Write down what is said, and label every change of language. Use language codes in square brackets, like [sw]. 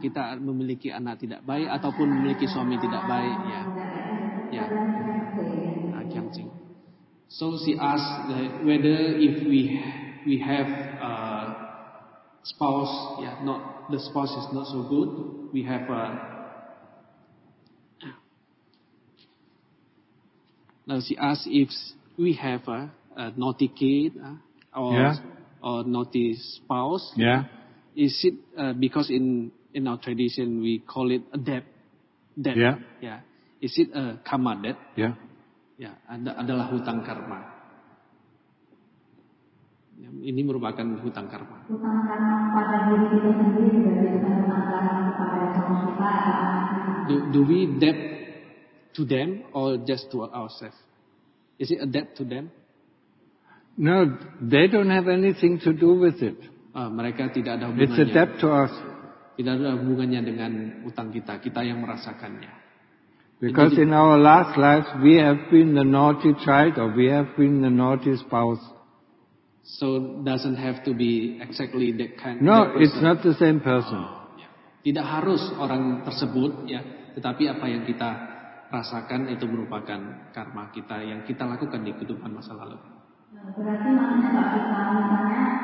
[id] Kita memiliki anak tidak baik ataupun memiliki suami tidak baik, ya. Ya. Yang sing. [en] So she asked whether if we have a spouse, yeah, not the spouse is not so good. We have a. Now she asked if we have a naughty kid or naughty spouse. Yeah. Is it because in our tradition we call it a debt? Yeah. Yeah. Is it a karma debt? Yeah. Yeah. [id] Adalah hutang karma. Ini merupakan hutang karma. Hutang karma pada diri kita sendiri juga bisa hutang karma kepada orang tua. [en] Do we debt to them or just to ourselves? Is it a debt to them? No, they don't have anything to do with it. [id] Mereka tidak ada hubungannya. [en] It's a debt to us. [id] Tidak ada hubungannya dengan utang kita. Kita yang merasakannya. [en] Because in our last lives we have been the naughty child or we have been the naughty spouse. So doesn't have to be exactly that kind. No, it's not the same person. [id] Tidak harus orang tersebut, ya. Tetapi apa yang kita rasakan itu merupakan karma kita yang kita lakukan di kehidupan masa lalu. Berarti maknanya kalau kita misalnya